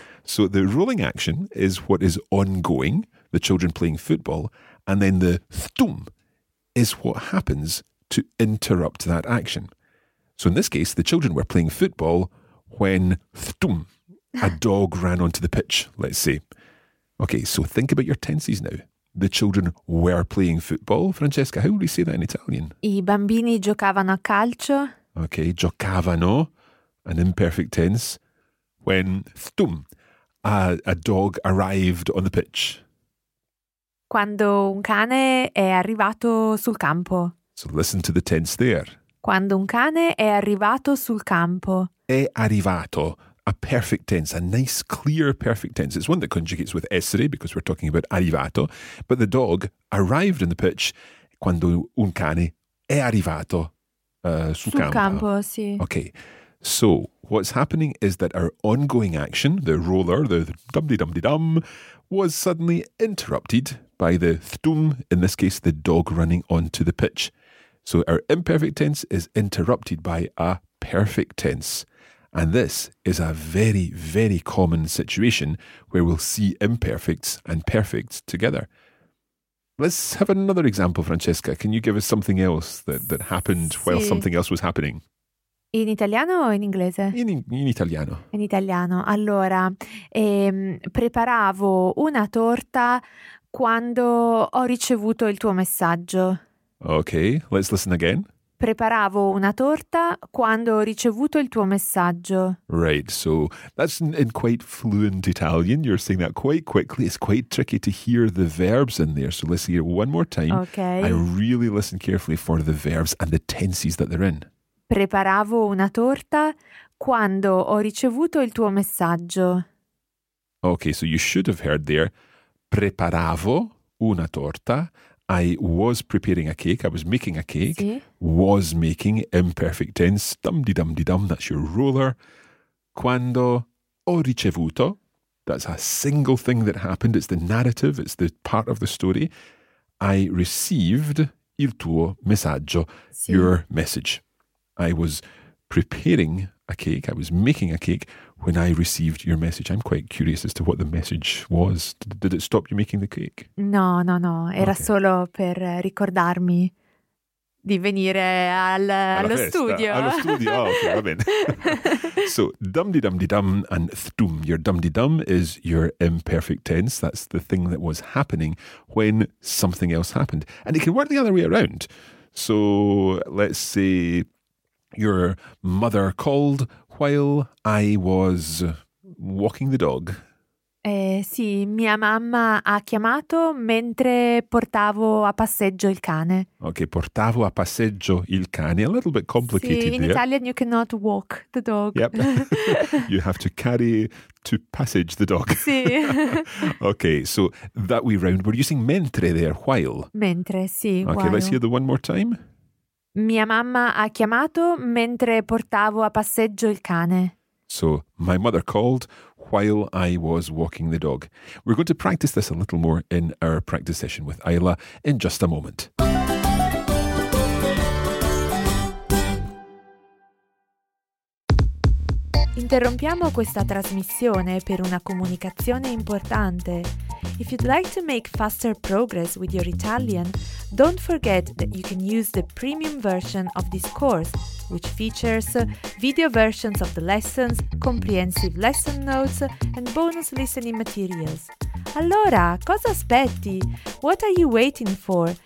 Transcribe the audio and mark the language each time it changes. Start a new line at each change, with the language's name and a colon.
English: So the rolling action is what is ongoing, the children playing football, and then the thtum is what happens to interrupt that action. So in this case, the children were playing football when thtum, a dog ran onto the pitch, let's say. Okay, so think about your tenses now. The children were playing football. Francesca, how would we say that in Italian?
Italian: I bambini giocavano a calcio.
English: Okay, giocavano, an imperfect tense. when thtum, a dog arrived on the pitch.
Italian: Quando un cane è arrivato sul campo.
English: So listen to the tense there.
Italian: Quando un cane è arrivato sul campo. È arrivato,
English: a perfect tense, a nice, clear perfect tense. It's one that conjugates with essere because we're talking about arrivato. But the dog arrived in the pitch
Italian: quando un cane è arrivato sul campo. Sì.
English: Okay, so what's happening is that our ongoing action, the roller, the dum-de-dum-de-dum, was suddenly interrupted by the thtum, in this case, the dog running onto the pitch. So our imperfect tense is interrupted by a perfect tense. And this is a very, very common situation where we'll see imperfects and perfects together. Let's have another example, Francesca. Can you give us something else that happened while something else was happening?
Italian: In italiano o in inglese? In italiano. In italiano. Allora, preparavo una torta quando ho ricevuto il tuo messaggio.
English: Okay, let's listen again.
Italian: Preparavo una torta quando ho ricevuto il tuo messaggio.
English: Right, so that's in quite fluent Italian. You're saying that quite quickly. It's quite tricky to hear the verbs in there. So let's hear it one more time. Okay. I really listen carefully for the verbs and the tenses that they're in.
Italian: Preparavo una torta quando ho ricevuto il tuo messaggio.
English: Okay, so you should have heard there.
Italian: Preparavo una torta.
English: I was preparing a cake. I was making a cake.
Italian: Sì.
English: Was making, imperfect tense. Dum-de-dum-de-dum, that's your ruler.
Italian: Quando ho ricevuto,
English: that's a single thing that happened. It's the narrative. It's the part of the story. I received
Italian: il tuo messaggio, sì.
English: Your message. I was preparing a cake. I was making a cake when I received your message. I'm quite curious as to what the message was. Did it stop you making the cake?
Italian: No. Era okay. Solo per ricordarmi di venire allo festa, studio. Allo studio.
English: Oh, okay,
Italian: va bene.
English: So, dum-de-dum-de-dum and thtum. Your dum-de-dum is your imperfect tense. That's the thing that was happening when something else happened. And it can work the other way around. So, let's say, your mother called while I was walking the dog.
Italian: Sì, mia mamma ha chiamato mentre portavo a passeggio il cane. Ok, portavo a passeggio il cane.
English: A little bit complicated there. Sì, in Italian you cannot walk the dog. Yep. You have to carry to passage the dog.
Italian: Sì.
English: Ok, so that way round, we're using mentre there, while.
Italian: Mentre, sì.
English: Ok, while. Let's hear the one more time.
Italian: Mia mamma ha chiamato mentre portavo a passeggio il cane.
English: So, my mother called while I was walking the dog. We're going to practice this a little more in our practice session with Ayla in just a moment.
Italian: Interrompiamo questa trasmissione per una comunicazione importante.
English: If you'd like to make faster progress with your Italian, don't forget that you can use the premium version of this course, which features video versions of the lessons, comprehensive lesson notes, and bonus listening materials.
Italian: Allora, cosa aspetti?
English: What are you waiting for?